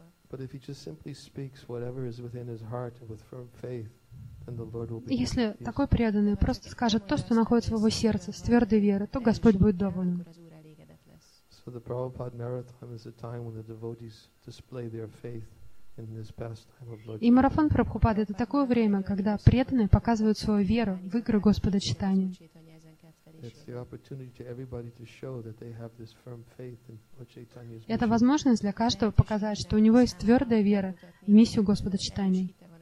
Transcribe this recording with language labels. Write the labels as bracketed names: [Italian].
[English] But if he just simply speaks whatever is within his heart and with firm faith, [Russian] Если такой преданный просто скажет то, что находится в его сердце, с твердой верой, то Господь будет доволен. [English] So the Prabhupada Marathon is a time when the devotees display their faith in this pastime of Lord. [Russian] И марафон Прабхупады это такое время, когда преданные показывают свою веру в игры Господа Чайтаньи. [English] It's the opportunity to everybody to show that they have this firm faith in Lord Chaitanya's mission. [Russian] Это возможность для каждого показать, что у него есть твёрдая вера в миссию Господа Чайтаньи.